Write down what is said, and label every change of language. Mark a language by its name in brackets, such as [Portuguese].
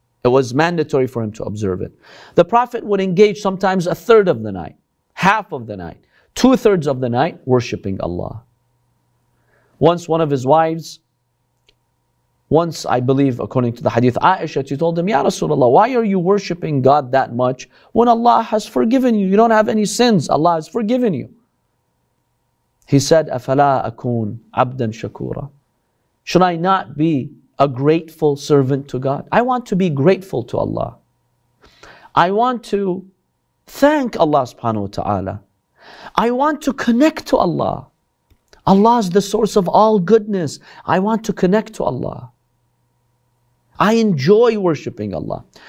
[English] It was mandatory for him to observe it. The Prophet would engage sometimes a third of the night, half of the night, two-thirds of the night, worshipping Allah. Once one of his wives, once, I believe, according to the hadith, Aisha, she told him, Ya Rasulullah, why are you worshiping God that much when Allah has forgiven you? You don't have any sins. Allah has forgiven you. He said, [Arabic] أَفَلَا أَكُونَ عَبْدًا شَكُورًا. [English] Should I not be a grateful servant to God? I want to be grateful to Allah. I want to thank Allah subhanahu wa ta'ala. I want to connect to Allah. Allah is the source of all goodness. I want to connect to Allah. I enjoy worshiping Allah.